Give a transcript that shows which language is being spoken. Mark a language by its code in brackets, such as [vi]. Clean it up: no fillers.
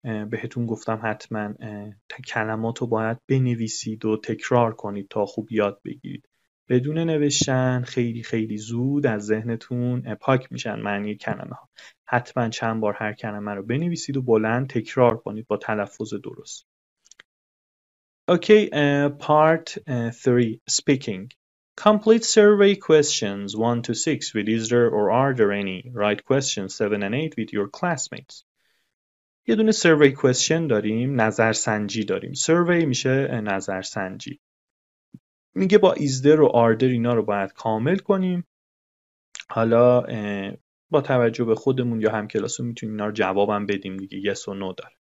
[fa] بهتون گفتم حتما کلمات رو باید بنویسید و تکرار کنید تا خوب یاد بگیرید. بدون نوشتن خیلی خیلی زود از ذهنتون پاک میشن معنی کلمه ها. حتما چند بار هر کلمه رو بنویسید و بلند تکرار کنید با تلفظ درست. [en] Okay, part 3, speaking. Complete survey questions 1 to 6 with is there or are there any? Write questions 7 and 8 with your classmates. [fa] یه دونه سروی کوئسشن داریم، نظرسنجی داریم. سروی میشه نظرسنجی. میگه با ایزدر و آردر اینا رو باید کامل کنیم. حالا با توجه به خودمون یا همکلاسون میتونیم اینا رو جوابم بدیم دیگه، یس و نو داره.